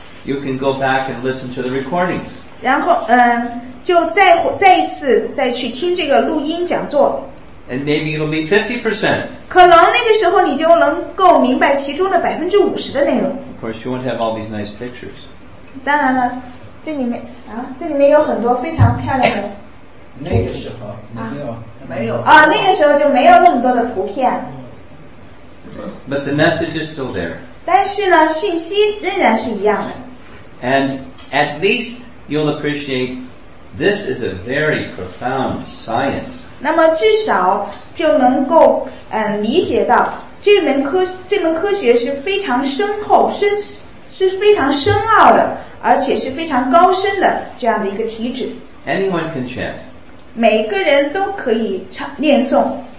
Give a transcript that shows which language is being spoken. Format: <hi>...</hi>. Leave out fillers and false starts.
<en>You can go back and listen to the recordings.</en> <zh>然后，就再一次去听这个录音讲座。</zh> <en>And maybe it'll be 50%.</en> <zh>可能那个时候你就能够明白其中的50%的内容。</zh> <en>Of course, you won't have all these nice pictures.</en> <zh>当然了，这里面有很多非常漂亮的。那个时候没有啊，那个时候就没有那么多的图片。</zh> <en>But the message is still there.</en> <zh>但是呢，讯息仍然是一样的。</zh> <en>And at least you'll appreciate this is a very profound science.</en> <zh>那么至少就能够理解到这门科学是非常深厚、是非常深奥的，而且是非常高深的这样的一个体旨。</zh> <en>Anyone can chant.</en> <zh>每个人都可以念诵。</zh>